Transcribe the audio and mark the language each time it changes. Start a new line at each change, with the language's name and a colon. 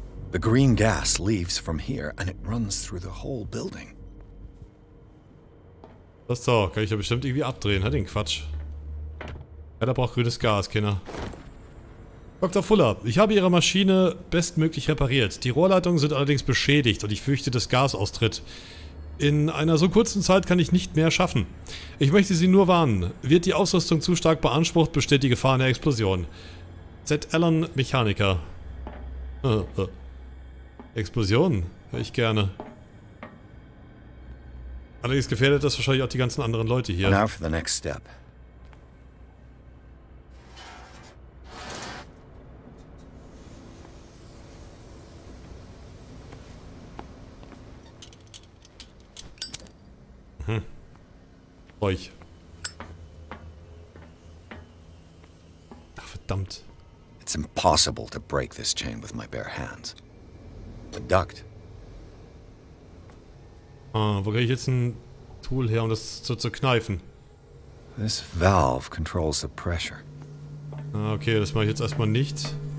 English: The green gas leaves from here and it runs through the whole building.
German: Das doch, kann ich ja bestimmt irgendwie abdrehen, hat den Quatsch. Ja, da braucht grünes Gas, Kinder. Dr. Fuller, ich habe Ihre Maschine bestmöglich repariert. Die Rohrleitungen sind allerdings beschädigt und ich fürchte, dass Gas austritt. In einer so kurzen Zeit kann ich nicht mehr schaffen. Ich möchte Sie nur warnen. Wird die Ausrüstung zu stark beansprucht, besteht die Gefahr einer Explosion. Z. Allen, Mechaniker. Explosion? Hör ich gerne. Allerdings gefährdet das wahrscheinlich auch die ganzen anderen Leute hier.
English: Now for the next step.
German: Euch. Ach, verdammt.
English: It's impossible to break this chain with my bare hands. A duct.
German: Ah, wo kriege ich jetzt ein Tool her, um das zu kneifen?
English: This valve controls the pressure.
German: Okay, das mache ich jetzt erstmal nicht.